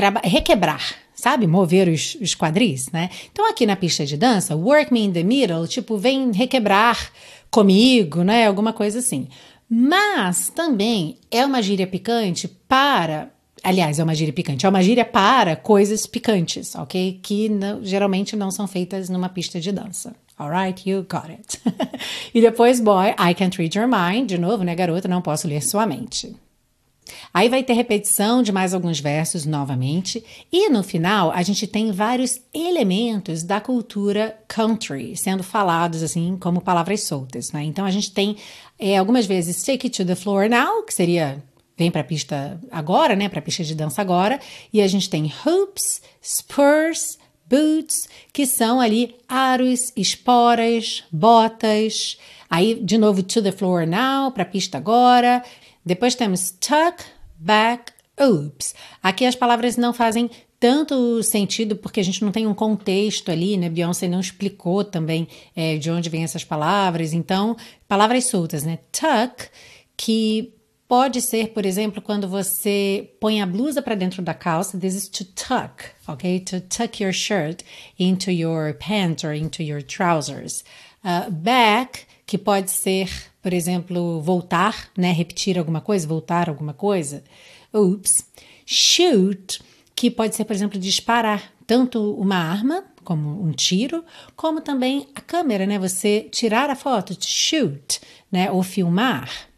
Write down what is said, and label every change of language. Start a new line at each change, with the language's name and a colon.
Portuguese: requebrar, sabe? Mover os quadris, né? Então, aqui na pista de dança,
English: work me in the middle,
Portuguese: tipo, vem requebrar comigo, né? Alguma coisa assim. Mas também é uma gíria picante para... Aliás, é uma gíria picante. É uma gíria para coisas picantes, ok? Que geralmente não são feitas numa pista de dança.
English: Alright, you got it.
Portuguese: E depois,
English: boy, I can't read your mind.
Portuguese: De novo, né, garota? Não posso ler sua mente. Aí vai ter repetição de mais alguns versos novamente. E no final, a gente tem vários elementos da cultura country sendo falados, assim, como palavras soltas, né? Então, a gente tem algumas vezes
English: take it to the floor now,
Portuguese: que seria... Vem pra pista agora, né? Pra pista de dança agora. E a gente tem hoops, spurs, boots, que são ali aros, esporas, botas. Aí, de novo,
English: to the floor now,
Portuguese: pra pista agora. Depois temos tuck, back, oops. Aqui as palavras não fazem tanto sentido, porque a gente não tem um contexto ali, né? Beyoncé não explicou também de onde vêm essas palavras. Então, palavras soltas, né? Tuck, que... Pode ser, por exemplo, quando você põe a blusa para dentro da calça.
English: This is to tuck, ok? To tuck your shirt into your pants or into your trousers.
Portuguese: Back, que pode ser, por exemplo, voltar, né? Repetir alguma coisa, voltar alguma coisa. Oops. Shoot, que pode ser, por exemplo, disparar tanto uma arma, como um tiro, como também a câmera, né? Você tirar a foto, to shoot, né? Ou filmar.